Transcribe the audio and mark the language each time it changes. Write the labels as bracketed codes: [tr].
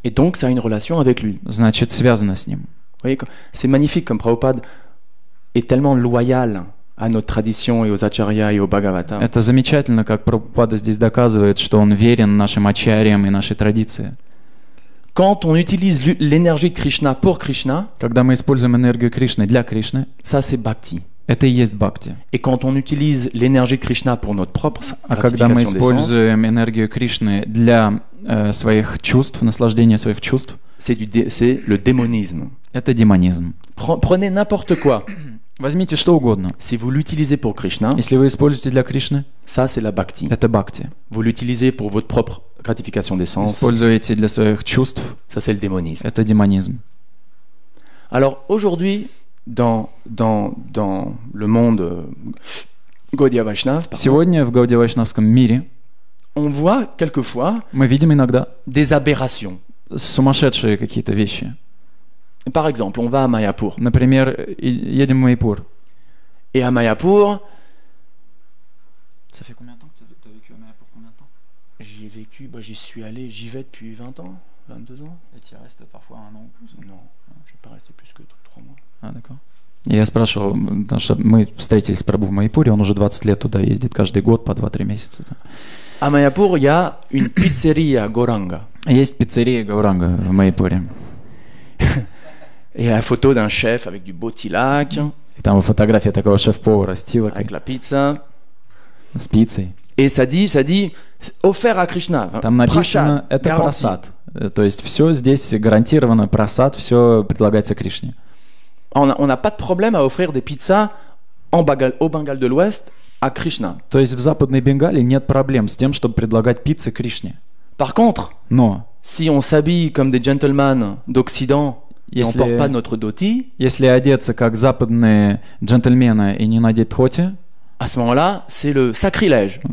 [fr] Et donc ça a une relation avec lui. [ru] Значит, связано с ним. [fr] Oui, c'est magnifique comme Prabhupada est tellement loyal à notre tradition et aux acharyas et au Bhagavata. [ru] Это замечательно, как Прабхупада здесь доказывает, что он верен нашим ачарьям и нашей традиции. [fr] Quand on utilise l'énergie de Krishna pour Krishna, [ru] когда мы используем энергию Кришны для Кришны, [fr] ça c'est bhakti. [ru] Это и есть бхакти. [fr] Et quand on utilise l'énergie de Krishna pour notre propre gratification, [ru] а когда мы используем энергию Кришны для своих чувств, наслаждения своих чувств, [fr] c'est le démonisme. [ru] Это демонизм. [fr] Prenez n'importe quoi. [ru] Возьмите что угодно. [fr] Si vous l'utilisez pour Krishna, [ru] если вы используете для Кришны, [fr] ça c'est la bhakti. [ru] Это бхакти. [fr] Vous l'utilisez pour votre propre gratification des sens, [ru] используете для своих чувств, [fr] ça c'est le démonisme. [ru] Это демонизм. [fr] Alors aujourd'hui dans le monde Gaudiya Vaishnav. [ru] Сегодня в Гаудия Вайшнавском мире [fr] on voit quelquefois, [ru] мы видим иногда, [fr] des aberrations. [ru] Сумасшедшие какие-то вещи. [fr] Par exemple, on va à Mayapur. [ru] Например, едем в Майяпур. [fr] Et à Mayapur, ça fait combien de temps que tu as vécu à Mayapur? Combien de temps? J'y vais depuis 20 ans, 22 ans. Et tu y restes parfois un an ou plus? Non, je vais pas rester plus que 3 mois. А, d'accord. [ru] Я спрашивал, потому что мы встретились с Прабху в Майяпуре, он уже 20 лет туда ездит каждый год по 2-3 месяца. А Майяпур я [fr] une pizzeria Gauranga. [ru] Есть пиццерия Гауранга в Майяпуре. [fr] Et la photo d'un chef avec du beau tilak. [ru] И там фотография такого шеф-повара с тилаком. [fr] Avec la pizza. [ru] С пиццей. [fr] Et ça dit offert à Krishna. [ru] Там написано, это прасад. То есть все здесь гарантировано, прасад, все предлагается Кришне. [fr] On a pas de problème à offrir des pizzas au Bengale de l'Ouest à Krishna. [ru] То есть в Западной Бенгалии нет проблем с тем, чтобы предлагать пиццы Кришне. [fr] Par contre, [ru] но [fr] si on s'habille comme des gentlemen d'Occident, [ru] если, [fr] et on porte pas notre dhoti, [ru] если одеться как западные джентльмены и не надеть дхоти, [fr] à ce moment-là, c'est le sacrilège.